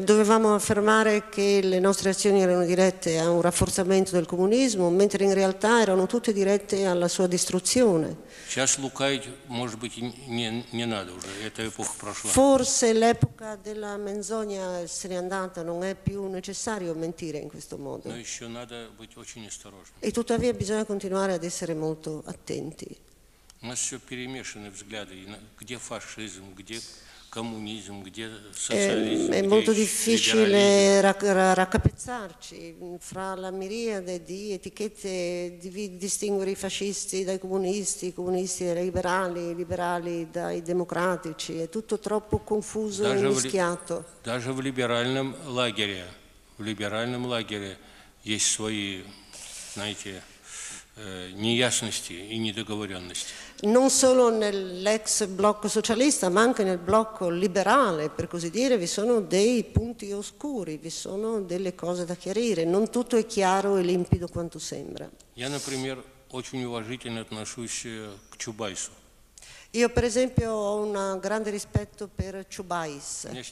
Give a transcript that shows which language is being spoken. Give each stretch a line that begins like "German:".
Italian: Dovevamo affermare che le nostre azioni erano dirette a un rafforzamento del comunismo, mentre in realtà erano tutte dirette alla sua distruzione.
Russian: Сейчас лукавить, может быть, не надо уже, эта эпоха прошла.
Italian: Forse l'epoca della menzogna se n'è andata, non è più necessario mentire in questo modo.
Russian: Но еще надо быть очень осторожным.
Italian: E tuttavia bisogna continuare ad essere molto attenti.
Russian: У нас все перемешаны взгляды, где фашизм, где коммунизм, где социализм,
Italian: è molto difficile raccapezzarci fra la miriade di etichette di distinguere i fascisti dai comunisti, i comunisti dai liberali, i liberali dai democratici, è tutto troppo confuso e mischiato.
Russian: Даже в либеральном лагере, есть свои, знаете, неясности и недоговоренности.
Italian: Non solo nell'ex blocco socialista, ma anche nel blocco liberale, per così dire, vi sono dei punti oscuri, vi sono delle cose da chiarire. Non tutto è chiaro e limpido quanto sembra.
Russian: Я, например, очень уважительно отношусь к Чубайсу.
Italian: Io per esempio ho un grande rispetto per Чубайс.